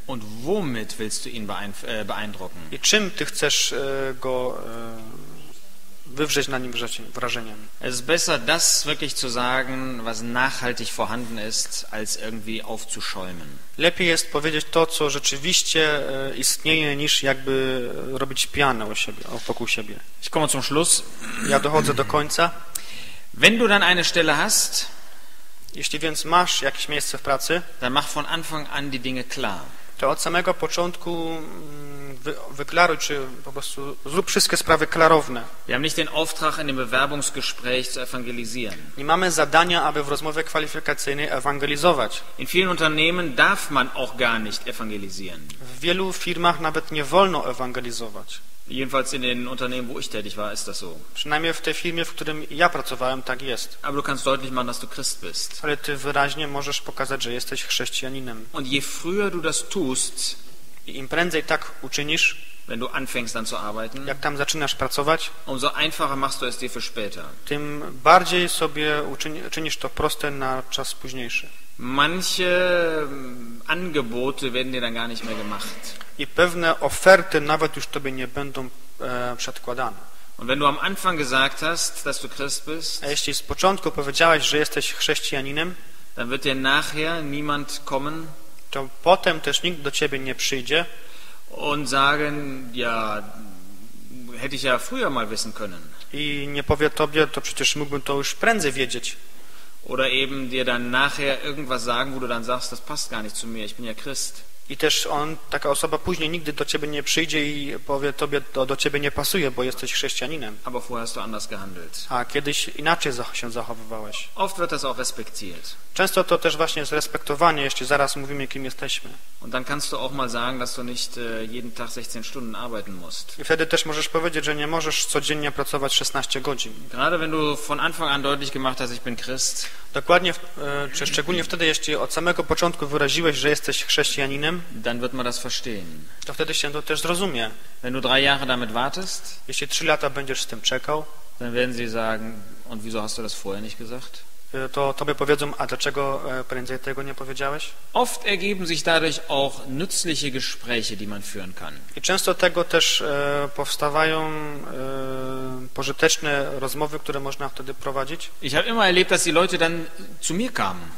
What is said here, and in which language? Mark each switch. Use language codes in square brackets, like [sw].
[de] Und womit willst du ihn beeindrucken? [pl] I czym ty chcesz go wywrzeć na nim wrażenie? [de] Es ist besser, das wirklich zu sagen, was nachhaltig vorhanden ist, als irgendwie aufzuschäumen. [pl] Lepiej jest powiedzieć to, co rzeczywiście istnieje, niż jakby robić pianę o siebie, wokół siebie. [de] Ich komme zum Schluss. [pl] Ja dochodzę do końca. [de] Wenn du dann eine Stelle hast, [pl] jeśli więc masz jakieś miejsce w pracy, [de] dann mach von Anfang an die Dinge klar. [pl] To od samego początku wyklaruj, czy po prostu zrób wszystkie sprawy klarowne. [de] Wir haben nicht den Auftrag, in dem Bewerbungsgespräch zu evangelisieren. [pl] Nie mamy zadania, aby w rozmowie kwalifikacyjnej ewangelizować. [de] In vielen Unternehmen darf man auch gar nicht evangelisieren. [pl] W wielu firmach nawet nie wolno ewangelizować. [de] Jedenfalls in den Unternehmen, wo ich tätig war, ist das so. [pl] Przynajmniej w tej firmie, w którym ja pracowałem, tak jest. [de] Aber du kannst deutlich machen, dass du Christ bist. [pl] Ale ty wyraźnie możesz pokazać, że jesteś chrześcijaninem. [de] Und je früher du das tust, [pl] i im prędzej tak uczynisz, [de] wenn du anfängst dann zu arbeiten, [pl] jak tam zaczynasz pracować, [de] umso einfacher machst du es dir für später. [pl] Tym bardziej sobie czynisz to proste na czas późniejszy. [de] Manche Angebote werden dir dann gar nicht mehr gemacht. [pl] I pewne oferty nawet już tobie nie będą przedkładane. [de] Und wenn du am Anfang gesagt hast, dass du Christ bist, [pl] a jeśli z początku powiedziałeś, że jesteś chrześcijaninem, [de] dann wird dir nachher niemand kommen, [pl] to potem też nikt do ciebie nie przyjdzie [de] und sagen, ja, hätte ich ja früher mal wissen können. [pl] I nie powie tobie, to przecież mógłbym to już prędzej wiedzieć. [de] Oder eben dir dann nachher irgendwas sagen, wo du dann sagst, das passt gar nicht zu mir, ich bin ja Christ. [pl] I też on, taka osoba później nigdy do ciebie nie przyjdzie i powie tobie, to do ciebie nie pasuje, bo jesteś chrześcijaninem. [de] Aber vorher hast du anders gehandelt. [pl] A kiedyś inaczej się zachowywałeś. [de] Oft wird das auch respektiert. [pl] Często to też właśnie jest respektowanie, jeśli zaraz mówimy, kim jesteśmy. [de] Und dann kannst du auch mal sagen, dass du nicht jeden Tag 16 Stunden arbeiten musst. [pl] I wtedy też możesz powiedzieć, że nie możesz codziennie pracować 16 godzin. [de] Gerade wenn du von Anfang an deutlich gemacht hast, ich bin Christ. [pl] Dokładnie, czy szczególnie wtedy, jeśli od samego początku wyraziłeś, że jesteś chrześcijaninem, [de] dann wird man das verstehen. [pl] To wtedy się to też zrozumie. [de] Wenn du 3 Jahre damit wartest, [pl] jeśli 3 lata będziesz z tym czekał, [de] dann werden sie sagen, und wieso hast du das vorher nicht gesagt? [pl] To tobie powiedzą, a dlaczego prędzej tego nie powiedziałeś? [de] Oft ergeben sich dadurch auch nützliche Gespräche, die man führen kann. [pl] I często tego też powstawają pożyteczne rozmowy, które można wtedy prowadzić. [de] Ich habe immer erlebt, dass die Leute dann zu mir kamen.